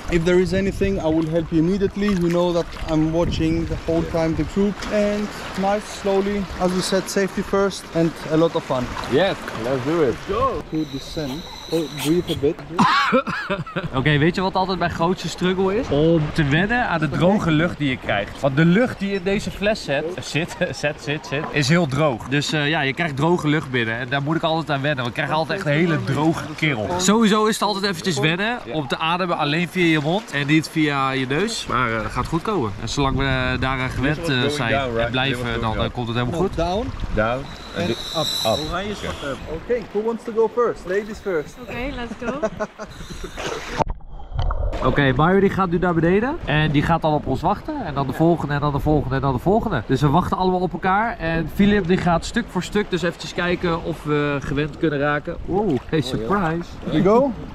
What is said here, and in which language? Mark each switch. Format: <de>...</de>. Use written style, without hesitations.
<en>If there is anything, I will help you immediately. You know that I'm watching the whole time the group. And nice, slowly. As we said, safety first and a lot of fun. Yes, let's do it. Go. To descend. Oh, breathe a bit.</en> <nl>Okay, weet je wat altijd mijn grootste struggle is? Om te wennen aan de droge lucht die je krijgt. Want de lucht die in deze fles zit, is heel droog. Dus ja, je krijgt droge lucht binnen en daar moet ik altijd aan wennen. We krijgen altijd echt een hele droge kerel. Sowieso is het altijd eventjes wennen om te ademen alleen via je mond en niet via je neus. Maar dat gaat goed komen. En zolang we daaraan gewend zijn en blijven, dan komt het helemaal goed.</nl> <en>Down. Down. En up. Up.</en> <nl>Oranje is wat up.</nl> <en>Oké, who wants to go first? Ladies first. Oké, let's go.</en> <nl>Oké, Mario die gaat nu naar beneden. En die gaat dan op ons wachten. En dan de volgende, en dan de volgende, en dan de volgende. Dus we wachten allemaal op elkaar. En Philip die gaat stuk voor stuk. Dus eventjes kijken of we gewend kunnen raken.</nl> <en>Wow, hey, surprise. Here you go.</en>